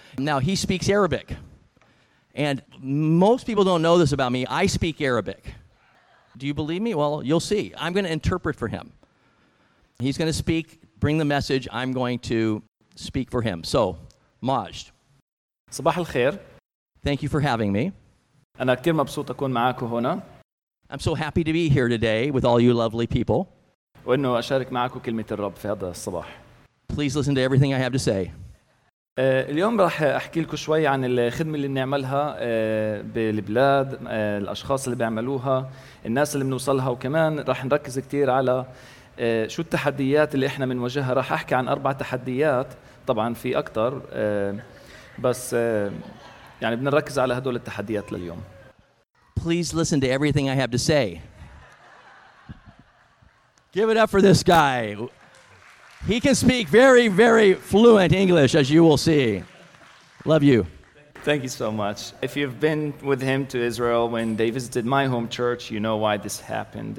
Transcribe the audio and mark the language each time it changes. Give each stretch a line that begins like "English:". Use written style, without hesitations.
English: Now, he speaks Arabic. And most people don't know this about me. I speak Arabic. Do you believe me? Well, you'll see. I'm going to interpret for him. He's going to speak, bring the message. I'm going to speak for him. So, Maj.
Arabic: Sabah al-khair.
English: Thank you for having me.
Arabic: أنا كتير مبسوط أكون معاك هنا.
English: I'm so happy to be here today with all you lovely people.
Arabic: وإنه أشارك معكم كلمة الرب في هذا الصباح.
English: Please listen to everything I have to say.
Arabic: اليوم راح أحكي لكم شوي عن الخدمة اللي بنعملها بالبلاد، الأشخاص اللي بيعملوها، الناس اللي بنوصلها، وكمان راح نركز كتير على شو التحديات اللي إحنا بنواجهها. راح أحكي عن أربع تحديات، طبعاً في أكتر، بس يعني بنركز على هدول التحديات لليوم.
English: Please listen to everything I have to say. Give it up for this guy. He can speak very, very fluent English, as you will see. Love you. Thank you so much. If you've been with him to Israel when they visited my home church, you know why this happened.